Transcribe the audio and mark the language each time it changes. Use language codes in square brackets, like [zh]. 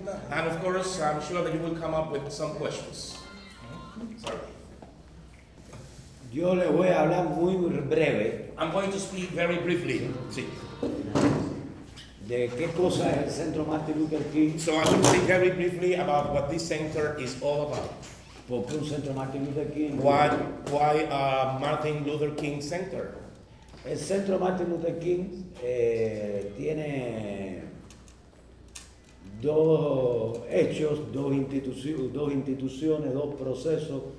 [en] And of course, I'm sure that you will come up with some questions. [es] Yo le voy a hablar muy breve. [en] I'm going to speak very briefly. Sí. [es] de qué cosa es el Centro Martin Luther King. [en] So I will speak very briefly about what this center is all about. [es] ¿Por qué un Centro Martin Luther King? [en] Why a Martin Luther King Center? [es] El Centro Martin Luther King tiene dos hechos, dos instituciones, dos procesos.